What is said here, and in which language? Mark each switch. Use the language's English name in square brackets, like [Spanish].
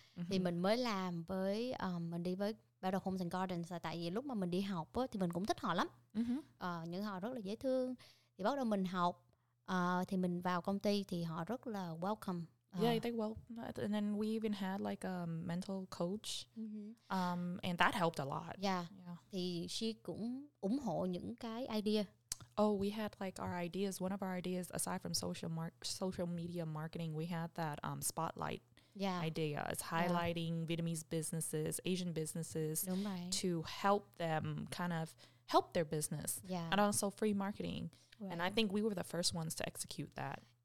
[Vietnamese] Thì mình mới làm với mình đi với Battle Homes and Gardens, tại vì lúc mà mình đi học á, thì mình cũng thích họ lắm. Những họ rất là dễ thương. Thì bắt đầu mình học, thì mình vào công ty thì họ rất là welcome. [English] And then we even had like a mental coach. And that helped a lot. [Vietnamese] Thì she cũng ủng hộ những cái idea. [English] Oh, we had like our ideas. One of our ideas, aside from social media marketing, we had that spotlight idea. It's highlighting Vietnamese businesses, Asian businesses, to help them kind of help their business. And also free marketing. And I think we were the first ones to execute that.